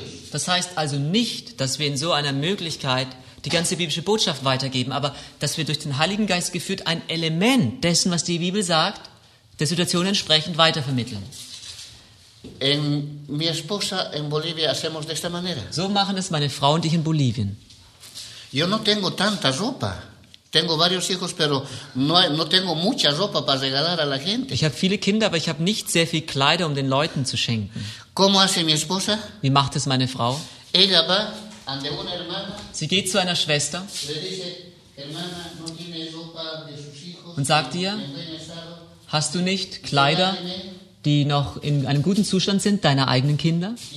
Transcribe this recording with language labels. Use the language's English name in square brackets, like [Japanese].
[German] Das heißt also nicht, dass wir in so einer Möglichkeit die ganze biblische Botschaft weitergeben, aber dass wir durch den Heiligen Geist geführt ein Element dessen, was die Bibel sagt, der Situation entsprechend weitervermitteln. [Spanish] En mi esposa en Bolivia hacemos de esta manera. [German] So machen es meine Frau und ich in Bolivien. [Spanish] Yo no tengo tanta ropa. Tengo varios hijos, pero no tengo mucha ropa para regalar a la gente. [German] Ich habe viele Kinder, aber ich habe nicht sehr viel Kleider, um den Leuten zu schenken. [Spanish] ¿Cómo hace mi esposa? [German] Wie macht es meine Frau? [Spanish] Ella va a una hermana. [German] Sie geht zu einer Schwester. [Spanish] Le dice, hermana, no tiene ropa de sus hijos. [German] Und sagt ihr, hast du nicht Kleider, die noch in einem guten Zustand sind, deiner eigenen Kinder?